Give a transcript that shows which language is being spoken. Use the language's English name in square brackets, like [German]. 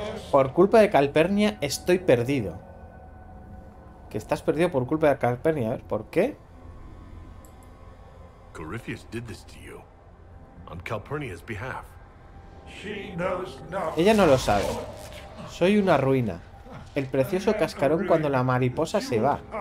[Spanish] Por culpa de Calpurnia estoy perdido. Que estás perdido por culpa de Calpurnia, a ver, ¿por qué? [English] Corypheus did this to you on Calpurnia's behalf. She knows nothing. [Spanish] Ella no lo sabe. Soy una ruina. El precioso cascarón cuando la mariposa se va.